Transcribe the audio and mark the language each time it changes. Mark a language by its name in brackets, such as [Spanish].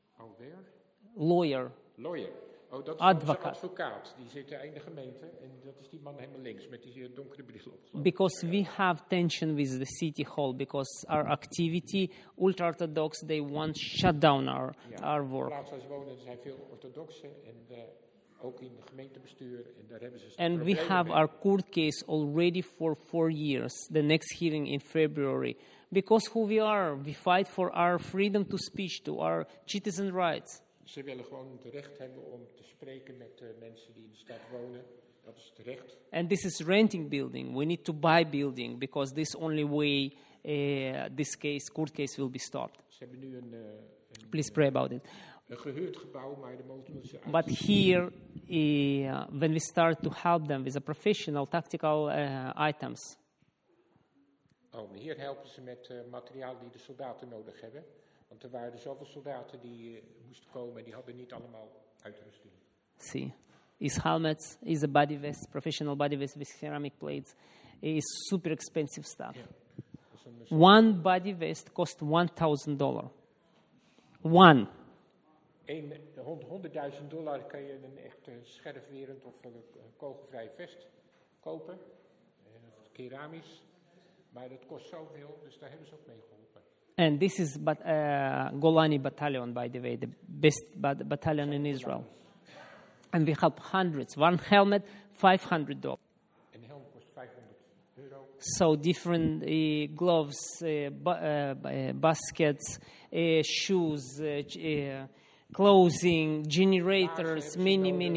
[English] Oh, where? Lawyer. [Dutch] Oh, dat is advocaat. Onze advocaat. Die zit in de gemeente en dat is die man helemaal links met die donkere bril op. [English] Because we have tension with the city hall because our activity, ultra-orthodox, they want shut down our work. [Dutch] Ja, waar ze wonen zijn veel orthodoxen en ook in het gemeentebestuur en daar hebben ze. [English] And we have our court case already for 4 years. The next hearing in February. Because who we are, we fight for our freedom to speech, to our citizen rights. [Dutch] Ze willen gewoon het recht hebben om te spreken met de mensen die in de stad wonen. Dat is het recht. [English] And this is renting building. We need to buy building because this only way this case, court case, will be stopped. [Dutch] Ze hebben nu een. [English] Please pray about it. [Dutch] Een gehuurd gebouw, maar de motor moet ze uit. [English] But here, when we start to help them with the professional tactical items. [Dutch] Oh, hier helpen ze met materiaal die de soldaten nodig hebben. Want er waren zoveel soldaten die moesten komen en die hadden niet allemaal uitrusting. [English] See, his helmet is a body vest, professional body vest with ceramic plates. It is super expensive stuff. Yeah. One body vest cost $1,000. One. [Dutch] $100,000 kan je een echte scherfwerend of een kogelvrij vest kopen. Keramisch. Maar dat kost zoveel, dus daar hebben ze ook mee geholpen. [English] And this is Golani Battalion, by the way, the best battalion in Israel. And we help hundreds. One helmet, $500. And helm cost €500. So different gloves, baskets, shoes, clothing, generators, many.